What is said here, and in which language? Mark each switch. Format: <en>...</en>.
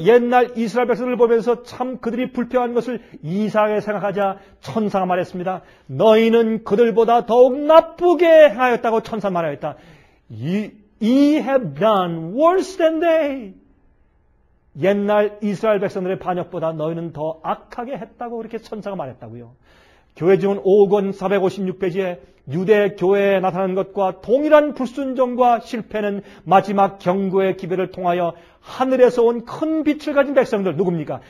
<ko>옛날 이스라엘 백성들을 보면서 참 그들이 불평한 것을 이상하게 생각하자 천사가 말했습니다. 너희는 그들보다 더욱 나쁘게 행하였다고 천사 말하였다.</ko> <en>You have done worse than they.</en> <ko>옛날 이스라엘 백성들의 반역보다 너희는 더 악하게 했다고 그렇게 천사가 말했다고요. 교회증언 5권 456페이지에 유대교회에 나타난 것과 동일한 불순종과 실패는 마지막 경고의 기별을 통하여 하늘에서 온 큰 빛을 가진 백성들 누굽니까?</ko>